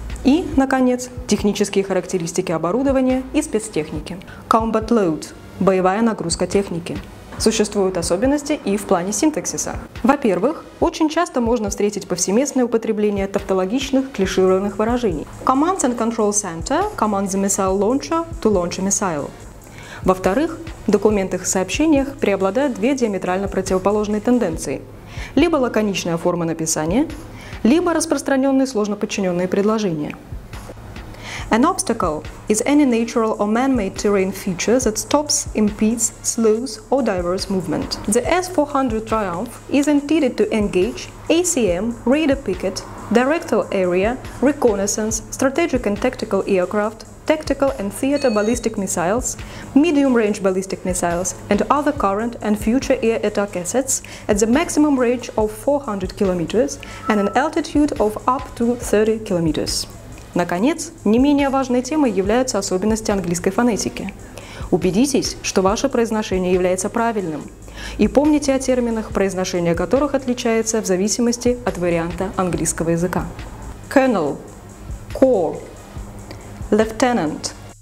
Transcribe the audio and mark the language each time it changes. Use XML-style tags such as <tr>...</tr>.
<ru>И, наконец, технические характеристики оборудования и спецтехники.</ru> <en>Combat load</en> <ru>– боевая нагрузка техники. Существуют особенности и в плане синтаксиса. Во-первых, очень часто можно встретить повсеместное употребление тавтологичных клишированных выражений.</ru> <en>Commands and control center – command the missile launcher to launch a missile.</en> <ru>Во-вторых, в документах и сообщениях преобладают две диаметрально противоположные тенденции. Либо лаконичная форма написания, либо распространенные сложно подчиненные предложения.</ru> <en>An obstacle is any natural or man-made terrain feature that stops, impedes, slows or diverts movement. The S-400 Triumph is intended to engage ACM, radar picket, directal area, reconnaissance, strategic and tactical aircraft, tactical and theater ballistic missiles, medium-range ballistic missiles and other current and future air attack assets at the maximum range of 400 km and an altitude of up to 30 km.</en> <ru>Наконец, не менее важной темой являются особенности английской фонетики. Убедитесь, что ваше произношение является правильным. И помните о терминах, произношение которых отличается в зависимости от варианта английского языка.</ru> <en>Colonel, core, lieutenant.</en>